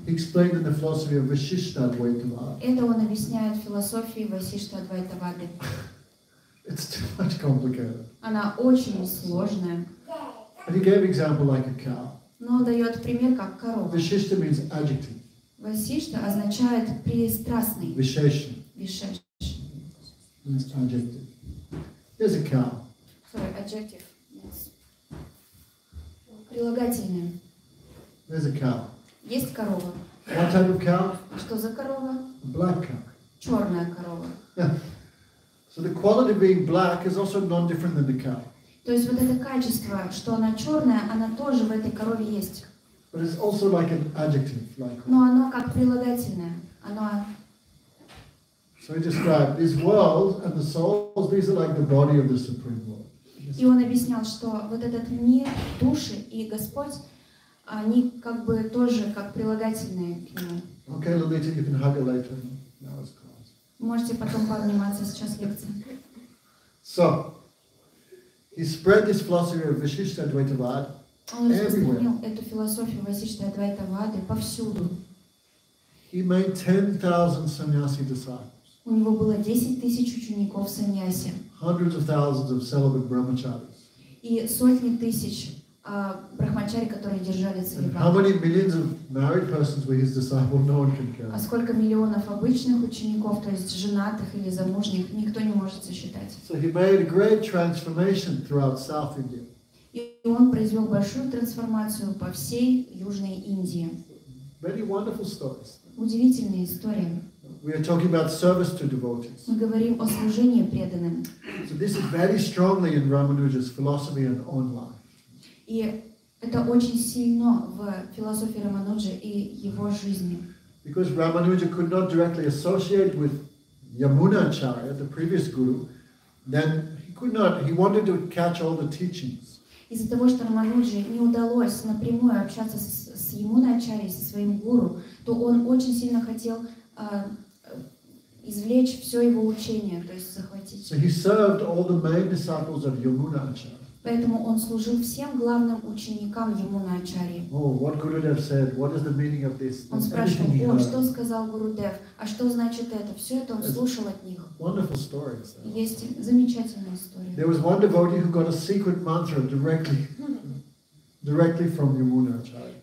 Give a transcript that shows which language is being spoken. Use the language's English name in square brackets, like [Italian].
[English] He explained in the philosophy of Vasishtha Advaita Vada. [Russian] Это он объясняет в философии Васиштха Адвайта Вады. [English] It's too much complicated. [Russian] Она очень сложная. [English] And he gave an example like a cow. [Russian] Но дает пример как корова. [English] Vasishtha means adjective. [Russian] Vasishtha означает пристрастный. [Sanskrit] Vishesha. Vishesha. [English] It's adjective. There's a cow. Sorry, adjective. [Russian] Прилагательное. [English] There's a cow. [Russian] Есть корова. [English] What type of cow? [Russian] Что за корова? [English] A black cow. [Russian] Черная корова. [English] Yeah. So the quality of being black is also not different than the cow. [Russian] То есть вот это качество, что она черная, она тоже в этой корове есть. [English] But it's also like an adjective, like. [Russian] Но оно как прилагательное, оно. [English] So he described this world and the souls. These are like the body of the Supreme Lord. [Russian] И он объяснял, что вот этот мир, души и Господь, они как бы тоже как прилагательные к нему. [English] Okay, Lolita, you can hug her later. Now it's close. [Russian] Можете потом пообниматься, сейчас лекция. [English] So, he spread this philosophy of Vasishtha Advaita Vada everywhere. [Russian] Он распространил эту философию Васиштха Адвайта Вады повсюду. [English] He made 10,000 sannyasi disciples. [Russian] У него было 10,000 учеников саньяси. [English] Hundreds of thousands of celibate brahmacharis. [Russian] И сотни тысяч брахмачари, которые держали целибат. [English] How many millions of married persons were his disciples? No one can count. [Russian] А сколько миллионов обычных учеников, то есть женатых или замужних, никто не может сосчитать. [English] So he made a great transformation throughout South India. [Russian] И он произвел большую трансформацию по всей Южной Индии. [English] Very wonderful stories. [Russian] Удивительные истории. [English] We are talking about service to devotees. [Russian] Мы говорим о служении преданным. [English] So this is very strongly in Ramanuja's philosophy and own life. [Russian] И это очень сильно в философии Рамануджи и его жизни. [English] Because Ramanuja could not directly associate with Yamuna Acharya, the previous guru, then he could not. He wanted to catch all the teachings. [Russian] Из-за того, что Рамануджи не удалось напрямую общаться с Ямуной Ачарьей, со своим гуру, то он очень сильно хотел извлечь все его учение, то есть захватить. [English] So he served all the main disciples of Yamuna Acharya. [Russian] Поэтому он служил всем главным ученикам Ямуна Ачарьи. [English] Oh, what Gurudev said? What is the meaning of this? [Russian] Он спрашивал, о, что сказал Гурудев? А что значит это? Все это он слушал от них. [English] Wonderful stories. [Russian] Есть замечательная история. [English] There was one devotee who got a secret mantra directly from Yamuna Acharya.